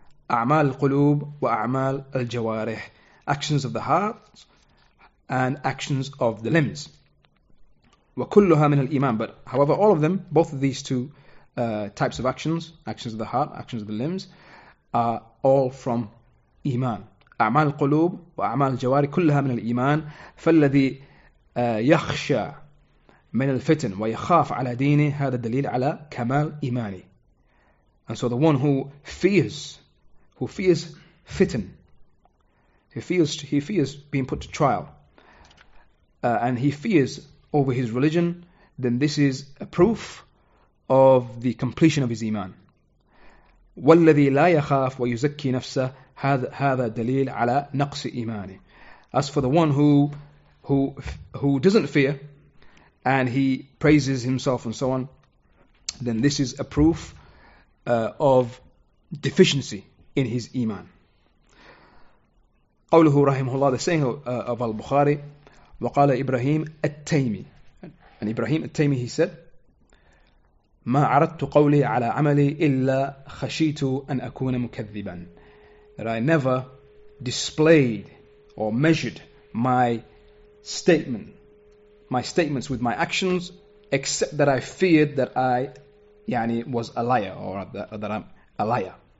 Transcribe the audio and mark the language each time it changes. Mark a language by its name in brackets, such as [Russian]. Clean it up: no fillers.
[Arabic] أَعْمَالِ الْقُلُوبِ وَأَعْمَالِ الْجَوَارِحِ. [English] Actions of the heart and actions of the limbs. [Arabic] وَكُلُّهَا مِنَ الْإِيمَانِ. [English] But however, all of them, both of these two types of actions of the heart, actions of the limbs, are all from iman. [Arabic] أعمال القلوب وأعمال الجوارح كلها من الإيمان. فالذي يخشى من الفتن ويخاف على دينه هذا الدليل على كمال إيمانه. [English] And so the one who fears fitn, he fears being put to trial, and he fears over his religion, then this is a proof of the completion of his iman. [Arabic] وَالَّذِي لَا يَخَافْ وَيُزَكِّي نَفْسَهْ هَذَا دَلِيلْ عَلَى نَقْسِ إِيمَانِ. [English] As for the one who doesn't fear, and he praises himself and so on, then this is a proof of deficiency in his iman. [Arabic] قَوْلُهُ رَحِمُهُ اللَّهِ. [English] The saying of Al-Bukhari, [Arabic] وَقَالَ إِبْرَهِيمُ التَّيْمِي. [English] And Ibrahim التَّيْمِي, he said, [Arabic] ما عرضت قولي على عملي إلا خشيت أن أكون مكذبا. [English] That I never displayed or measured my statements with my actions, except that I feared that I, was a liar, or that I'm a liar.